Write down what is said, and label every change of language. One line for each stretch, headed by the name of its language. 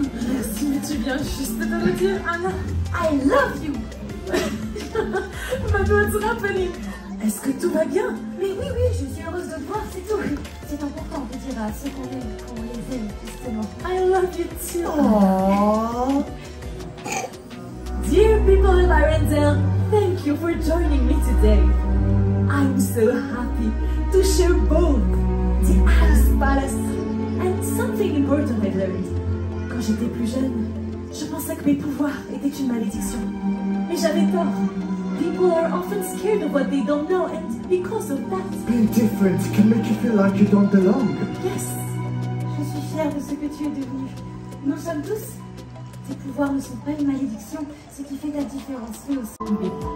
French: Merci, mais tu viens juste de me dire, Anna.
English: I love you.
French: Ma voix sera pénible. Est-ce que tout va bien? Mais oui, je suis heureuse de te voir, c'est tout. C'est important de dire à ceux qu'on aime, qu'on les aime, justement.
English: I love you too. Aww. Dear people of Arendelle, thank you for joining me today. I'm so happy to share both the Ice Palace and something important I learned.
French: Quand j'étais plus jeune, je pensais que mes pouvoirs étaient une malédiction. Mais j'avais tort.
English: People are often scared of what they don't know, and because of that... Being different can make you feel like you don't belong.
French: Yes, je suis fière de ce que tu es devenu. Nous sommes tous... Tes pouvoirs ne sont pas une malédiction, ce qui fait la différence, mais aussi une bébé.